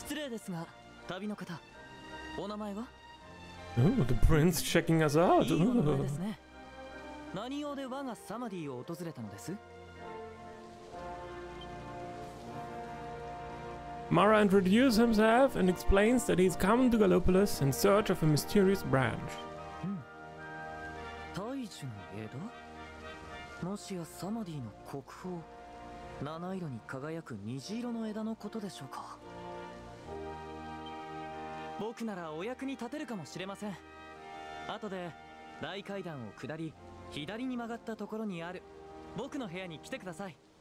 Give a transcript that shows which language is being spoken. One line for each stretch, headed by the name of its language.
Japanese: ですが、旅の方、お名前は？
English: Oh, the prince checking us out.
Japanese: いいお名前ですね。何用で我がサマディを訪れたのです？
English: Mara introduces himself and explains that he's come to Gallipolis in search of a mysterious branch.
Japanese: 大樹の枝？もしやサマディの国宝、七色に輝く虹色の枝のことでしょうか？僕ならお役に立てるかもしれません。後で大階段を下り、左に曲がったところにある僕の部屋に来てください。